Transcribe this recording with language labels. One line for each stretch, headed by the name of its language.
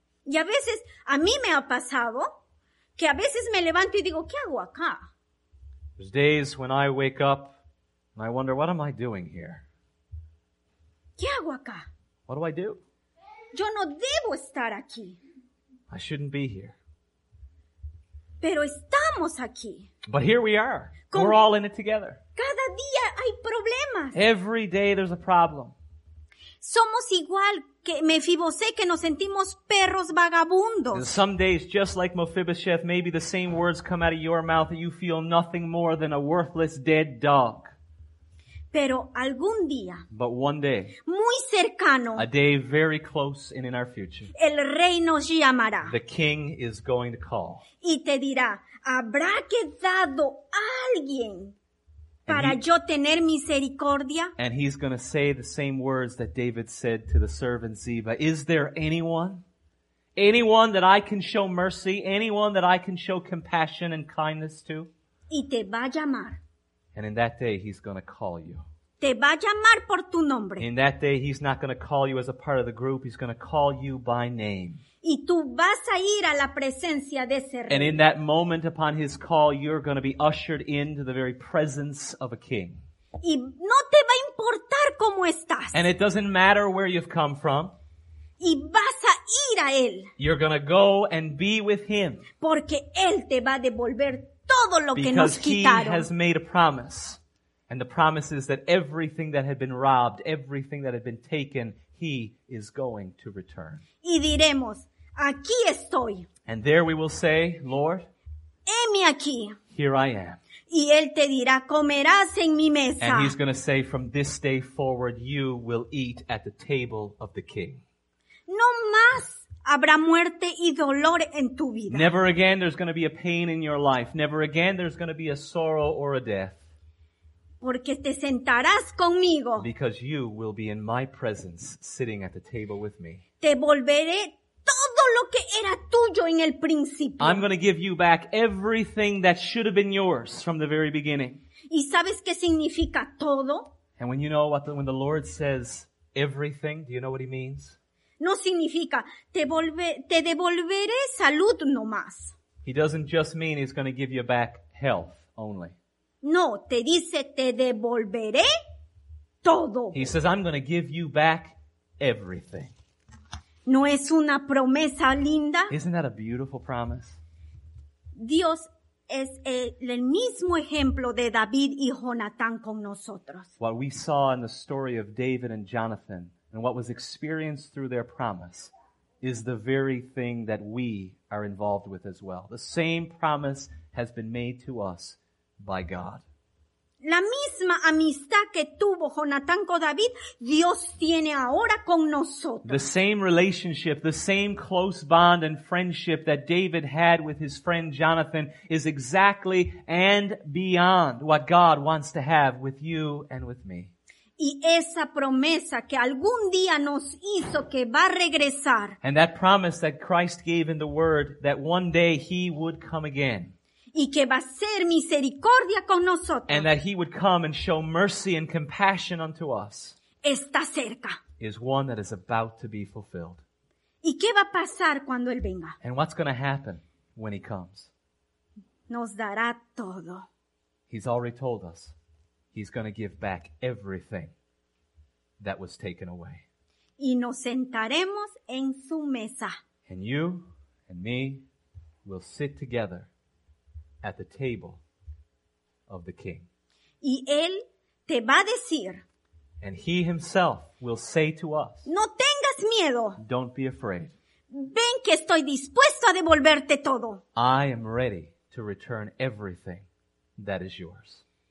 Spanish: Y a veces a mí me ha pasado que a veces me levanto y digo, ¿qué hago acá?
English: There's days when I wake up and I wonder, what am I doing here?
Spanish: ¿Qué hago acá?
English: What do I do?
Spanish: Yo no debo estar aquí.
English: I shouldn't be here.
Spanish: Pero estamos aquí.
English: But here we are. We're all in it together.
Spanish: Cada día hay problemas.
English: Every day there's a problem.
Spanish: Somos igual que Mefiboset, que nos sentimos perros vagabundos.
English: And some days, just like Mephibosheth, maybe the same words come out of your mouth that you feel nothing more than a worthless dead dog.
Spanish: Pero algún día,
English: but one day,
Spanish: muy cercano,
English: a day very close and in our future,
Spanish: el rey nos llamará.
English: The king is going to call.
Spanish: Y te dirá, ¿habrá quedado alguien para yo tener misericordia?
English: And he's going to say the same words that David said to the servant Ziba. Is there anyone? Anyone that I can show mercy? Anyone that I can show compassion and kindness to?
Spanish: Y te va a llamar.
English: And in that day, he's going to call you.
Spanish: Te va a llamar por tu nombre.
English: In that day, he's not going to call you as a part of the group. He's going to call you by name.
Spanish: Y tú vas a ir a la presencia de ese rey.
English: And in that moment upon his call, you're going to be ushered into the very presence of a king.
Spanish: Y no te va a importar cómo estás.
English: And it doesn't matter where you've come from.
Spanish: Y vas a ir a él.
English: You're going to go and be with him.
Spanish: Porque él te va a devolver todo lo
English: because
Spanish: que nos quitaron.
English: Because he has made a promise. And the promise is that everything that had been robbed, everything that had been taken, he is going to return.
Spanish: Y diremos, aquí estoy.
English: And there we will say, Lord,
Spanish: heme aquí.
English: Here I am.
Spanish: Y él te dirá, comerás en mi mesa.
English: And he's going to say, from this day forward, you will eat at the table of the king.
Spanish: No más habrá muerte y dolor en tu vida.
English: Never again there's going to be a pain in your life. Never again there's going to be a sorrow or a death.
Spanish: Porque te sentarás conmigo.
English: Because you will be in my presence, sitting at the table with me.
Spanish: Te volveré todo lo que era tuyo en el principio.
English: I'm going to give you back everything that should have been yours from the very beginning.
Spanish: ¿Y sabes qué significa todo?
English: And when you know what the, when the Lord says everything, do you know what he means?
Spanish: No significa, te devolveré salud nomás.
English: He doesn't just mean he's going to give you back health only.
Spanish: No, te dice, te devolveré todo.
English: He says, I'm going to give you back everything.
Spanish: ¿No es una promesa linda?
English: Isn't that a beautiful promise?
Spanish: Dios es el mismo ejemplo de David y Jonatán con nosotros.
English: What we saw in the story of David and Jonathan and what was experienced through their promise is the very thing that we are involved with as well. The same promise has been made to us by God.
Spanish: La misma amistad que tuvo Jonatán con David, Dios tiene ahora con nosotros.
English: The same relationship, the same close bond and friendship that David had with his friend Jonathan is exactly and beyond what God wants to have with you and with me.
Spanish: Y esa promesa que algún día nos hizo que va a regresar.
English: And that promise that Christ gave in the word that one day he would come again.
Spanish: Y que va a ser misericordia con nosotros.
English: And that he would come and show mercy and compassion unto us.
Spanish: Está cerca.
English: Is one that is about to be fulfilled.
Spanish: ¿Y qué va a pasar cuando él venga?
English: And what's going to happen when he comes?
Spanish: Nos dará todo.
English: He's already told us. He's going to give back everything that was taken away.
Spanish: Y nos sentaremos en su mesa.
English: And you and me will sit together at the table of the king.
Spanish: Y él te va a decir,
English: and he himself will say to us,
Spanish: no tengas miedo.
English: Don't be afraid.
Spanish: Ven que estoy dispuesto a devolverte todo.
English: I am ready to return everything that is yours.